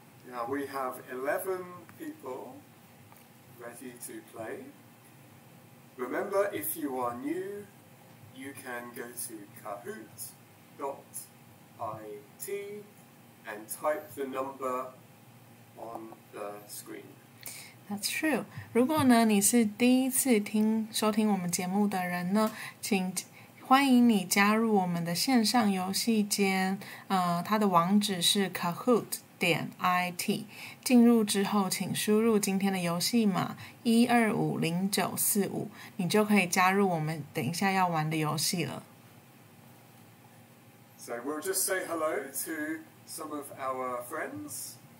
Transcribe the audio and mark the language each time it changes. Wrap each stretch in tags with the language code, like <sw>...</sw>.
<en>Now we have 11 people ready to play. Remember, if you are new, you can go to kahoot.it and type the number on the screen. That's true.</en> <zh>如果呢，你是第一次听收听我们节目的人呢，请欢迎你加入我们的线上游戏间。它的网址是 kahoot.it。进入之后，请输入今天的游戏码1250945，你就可以加入我们等一下要玩的游戏了。</zh> <en>So we'll just say hello to some of our friends.</en>